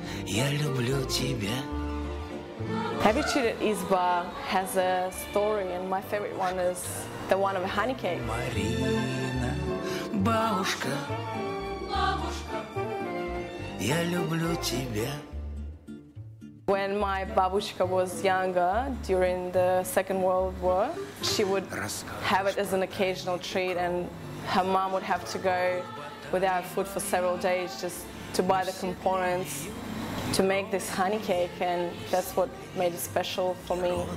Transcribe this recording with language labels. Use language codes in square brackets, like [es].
[en] Every treat at Izba has a story, and my favorite one is the one of a honey cake. [ru] Марина, бабушка, бабушка, я люблю тебя. [en] When my бабушка was younger, during the Second World War, she would have it as an occasional treat, and her mom would have to go without food for several days just to buy the components to make this honey cake, and that's what made it special for me.